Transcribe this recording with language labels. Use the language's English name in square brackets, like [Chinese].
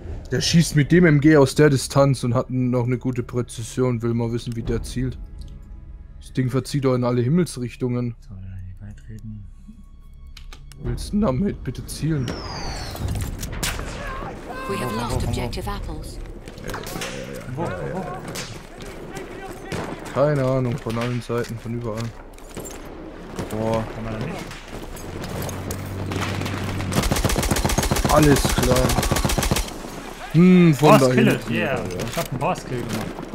[German] Der schießt mit dem MG aus der Distanz und hat noch eine gute Präzision. Will mal wissen, wie der zielt. Das Ding verzieht doch in alle Himmelsrichtungen. Soll er hier beitreten? Willst du damit bitte zielen? [English] We have lost objective apples. [German] Keine Ahnung, von allen Seiten, von überall. Boah. Alles klar. Von [English] Boss killed, yeah. [German] Ich hab einen Boss kill gemacht.